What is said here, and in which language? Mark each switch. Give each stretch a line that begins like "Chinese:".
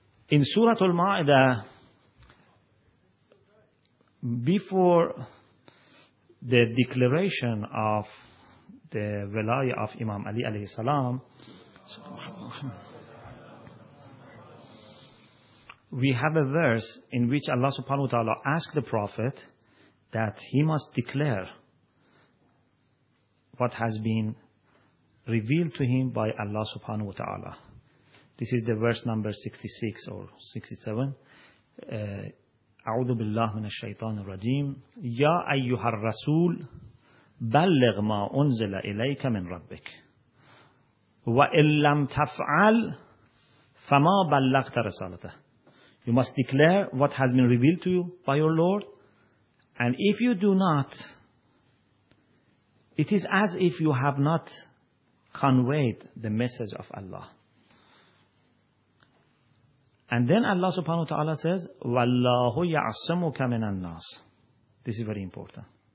English: In Surah Al-Ma'idah, before the declaration of the wilaya of Imam Ali alayhi salam, we have a verse in which Allah subhanahu wa ta'ala asked the Prophet that he must declare what has been revealed to him by Allah subhanahu wa ta'ala. This is the verse number 66 or 67.
Arabic: أعوذ بالله من الشيطان الرجيم يا أيها الرسول بلغ ما أنزل إليك من ربك وإن لم تفعل فما بلغت رسالته.
English: You must declare what has been revealed to you by your Lord, and if you do not, it is as if you have not conveyed the message of Allah. And then Allah subhanahu wa ta'ala says,
Arabic: وَاللَّهُ يَعْصِمُكَ مِنَ النَّاسِ.
English: This is very important.